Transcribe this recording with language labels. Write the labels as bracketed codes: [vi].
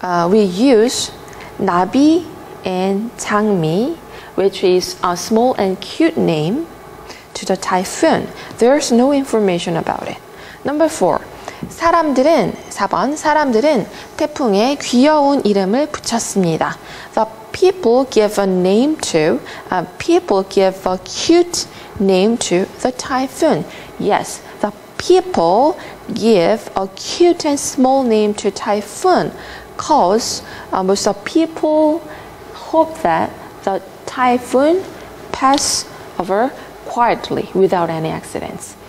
[en] We use 나비 and 장미, which is a small and cute name, to the typhoon. There's no information about it. Number 4. [ko] 사람들은, 4번, 사람들은 태풍에 귀여운 이름을 붙였습니다. [en] The people give a name to, people give a cute name to the typhoon. Yes, the people give a cute and small name to typhoon because most of people hope that the typhoon pass over quietly without any accidents.